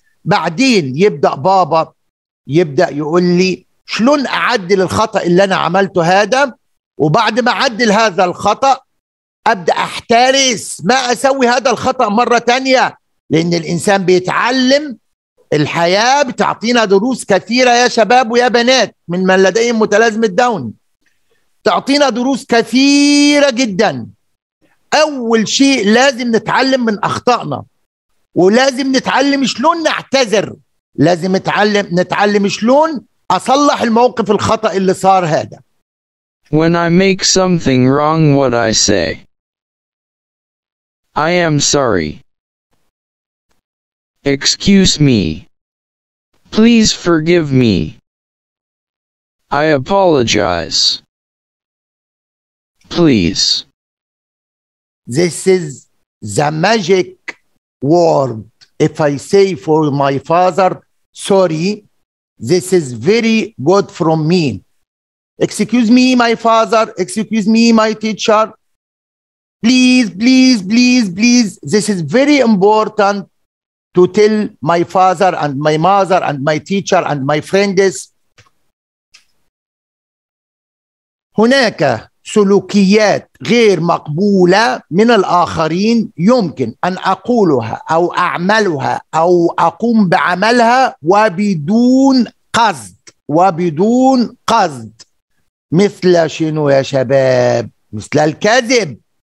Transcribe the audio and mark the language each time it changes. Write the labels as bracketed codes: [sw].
[ar] بعدين يبدأ بابا يبدأ يقول لي شلون أعدل الخطأ اللي أنا عملته هذا، وبعد ما أعدل هذا الخطأ أبدأ أحترس ما أسوي هذا الخطأ مرة تانية، لأن الإنسان بيتعلم، الحياة بتعطينا دروس كثيرة يا شباب ويا بنات من من لديهم متلازمة داون، تعطينا دروس كثيرة جدا. أول شيء لازم نتعلم من أخطائنا، ولازم نتعلم شلون نعتذر، لازم نتعلم شلون أصلح الموقف الخطأ اللي صار هذا. [en] When I make something wrong what I say I am sorry. Excuse me. Please forgive me. I apologize. Please. This is the magic word. If I say for my father, sorry, this is very good from me. Excuse me, my father. Excuse me, my teacher. Please, please, please, please. This is very important. To tell my father and my mother and my teacher and my friends. [ar] هناك سلوكيات غير مقبولة من الآخرين يمكن أن أقولها أو أعملها أو أقوم بعملها وبدون قصد، وبدون قصد، مثل شنو يا شباب؟ مثل الكذب.